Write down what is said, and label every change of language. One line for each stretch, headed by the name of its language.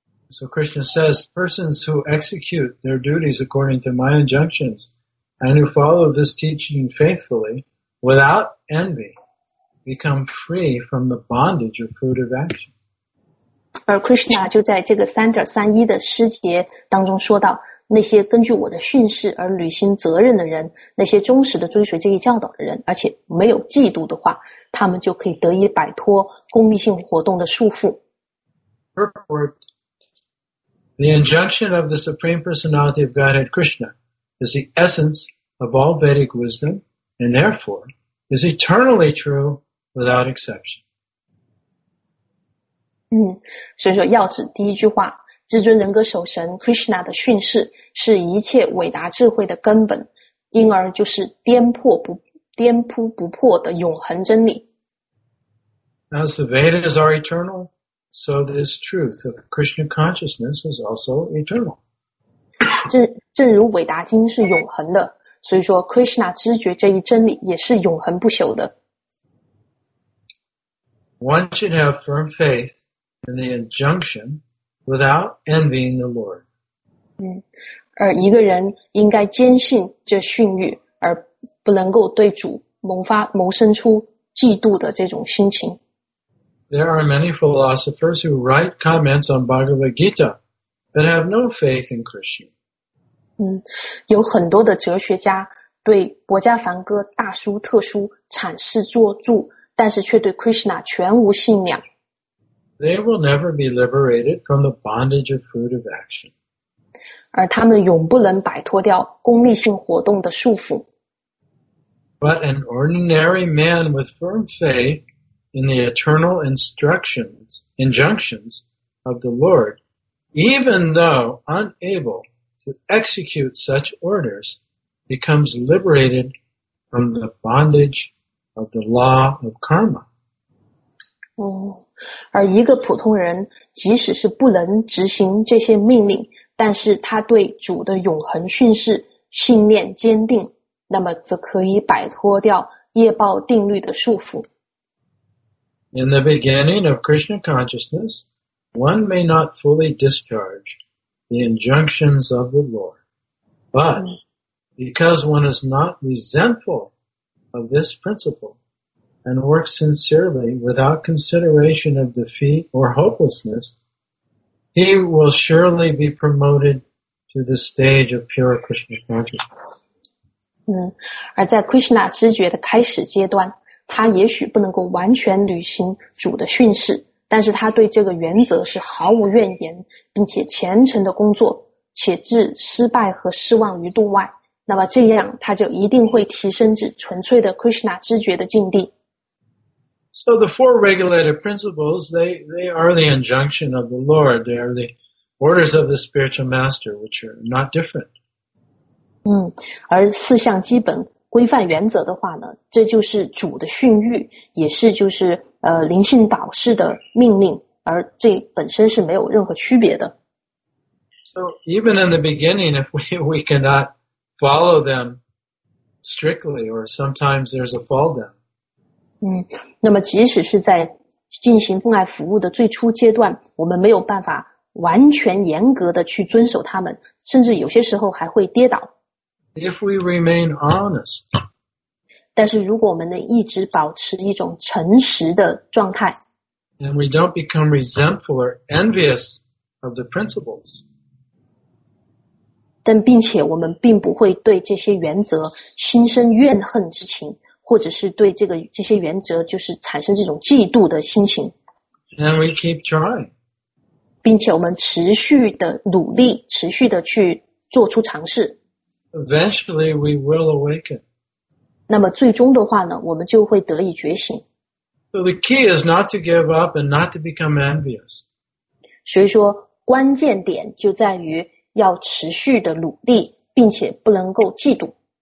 English: So Krishna says, persons who execute their duties according to my injunctions and who follow this teaching faithfully without envy become free from the bondage of fruitive action.
Chinese: 而 Krishna 就在这个3.31的诗节当中说到，那些根据我的训示而履行责任的人，那些忠实的追随这一教导的人，而且没有嫉妒的话，他们就可以得以摆脱功利性活动的束缚。
English: The injunction of the Supreme Personality of Godhead Krishna is the essence of all Vedic wisdom, and therefore is eternally true without exception.
Chinese: 所以说要旨第一句话，至尊人格首神 Krishna 的训示是一切伟大智慧的根本，因而就是颠扑不破的永恒真理。
English: As the Vedas are eternal, so this truth of Krishna consciousness is also eternal.
Chinese: 正如伟达经是永恒的，所以说 Krishna 知觉这一真理也是永恒不朽的。
English: One should have firm faith in the injunction without envying the Lord.
Chinese: 而一个人应该坚信这训谕，而不能够对主萌生出嫉妒的这种心情。
English: There are many philosophers who write comments on Bhagavad Gita that have no faith in Krishna.
Chinese: 有很多的哲学家对博迦梵歌大书特书阐释作注，但是却对 Krishna 全无信仰。
English: They will never be liberated from the bondage of fruitive action.
Chinese: 而他们永不能摆脱掉功利性活动的束缚。
English: But an ordinary man with firm faith in the eternal injunctions of the Lord, even though unable to execute such orders, becomes liberated from the bondage of the law of karma.
Chinese: 而一个普通人即使是不能执行这些命令，但是他对主的永恒训示信念坚定，那么则可以摆脱掉业报定律的束缚。
English: In the beginning of Krishna consciousness, one may not fully discharge the injunctions of the Lord. But because one is not resentful of this principle and works sincerely without consideration of defeat or hopelessness, he will surely be promoted to the stage of pure Krishna consciousness.
Chinese: 而在 Krishna 知觉的开始阶段，他也许不能够完全履行主的训示，但是他对这个原则是毫无怨言，并且虔诚的工作，且置失败和失望于度外，那么这样他就一定会提升至纯粹的 Krishna 知觉的境地。
English: So the four regulated principles, they are the injunction of the Lord, they are the orders of the spiritual master, which are not different.
Chinese: 而四项基本规范原则的话呢，这就是主的训谕，也是就是灵性导师的命令，而这本身是没有任何区别的。
English: So even in the beginning, if we cannot follow them strictly, or sometimes there's a fall down.
Chinese: 那么即使是在进行奉爱服务的最初阶段，我们没有办法完全严格的去遵守他们，甚至有些时候还会跌倒。
English: If we remain honest,
Chinese: 但是如果我们能一直保持一种诚实的状态，
English: and we don't become resentful or envious of the principles,
Chinese: 但并且我们并不会对这些原则心生怨恨之情，或者是对这些原则就是产生这种嫉妒的心情。
English: And we keep trying.
Chinese: 并且我们持续的努力，持续的去做出尝试。
English: Eventually we will awaken.
Chinese: 那么最终的话呢，我们就会得以觉醒。
English: So the key is not to give up and not to become envious.
Chinese: 所以说关键点就在于要持续的努力，并且不能够嫉妒。